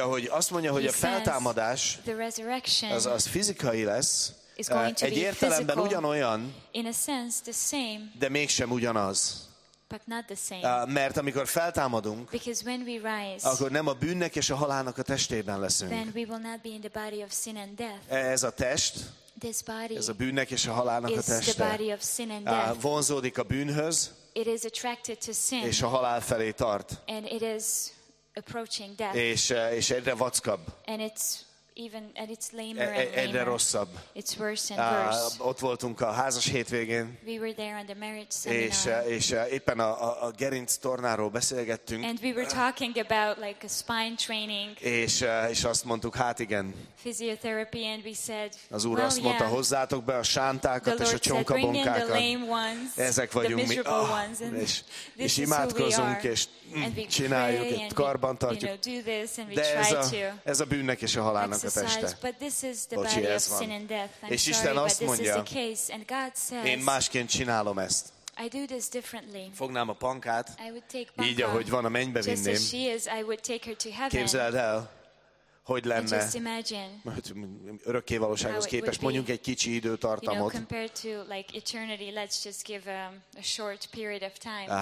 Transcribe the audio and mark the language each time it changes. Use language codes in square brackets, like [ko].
[hu] azt mondja, hogy a feltámadás [en] the resurrection [hu] az fizikai lesz, [en] is going to [hu] egy [en] be [hu] értelemben [en] physical, [hu] ugyanolyan, [en] in a sense the same, [hu] de mégsem ugyanaz. [en] But not the same. [hu] Mert amikor feltámadunk, [en] because when we rise, [hu] akkor nem a bűnnek és a halálnak a testében leszünk. [en] Then we will not be in the body of sin and death. [hu] Ez a test, [en] this body, [hu] ez a bűnnek és a halálnak a teste. [en] Is the body of sin and death. [hu] Vonzódik a bűnhöz, [en] it is attracted to sin, [hu] és a halál felé tart. [en] And it is approaching death. [hu] És egyre vackabb. [en] And it's lamer and lamer. [hu] Egyre rosszabb. [en] It's worse and worse. [hu] Ott voltunk a házas hétvégén. [en] We were there on the marriage seminar. [hu] És éppen a gerinc tornáról beszélgettünk. [en] And we were talking about like a spine training. [hu] És azt mondtuk, hát igen. [en] Physiotherapy, and we said, [hu] az Úr azt mondta, [en] yeah, [hu] hozzátok be a sántákat és a csonkabonkákat. [en] The lame ones, [hu] ezek vagyunk [en] the miserable mi. Ones, and [hu] és imádkozunk, és csináljuk, [en] and [hu] karban tartjuk. [en] You know, this, [hu] de ez a bűnnek és a halálnak. Bocsi, ez van. És Isten azt mondja, én másként csinálom ezt. [en] I do this differently. [hu] Fognám a pankát, [en] I would take [hu] panka, így ahogy van, a mennybe vinném. [en] Just as she is, I would take her to heaven. [hu] Képzeld el, hogy lenne. [en] Just imagine. [hu] Örökké valósághoz képest, mondjunk egy kicsi időtartamot. [en] You know, compared to like eternity, let's just give a short period of time.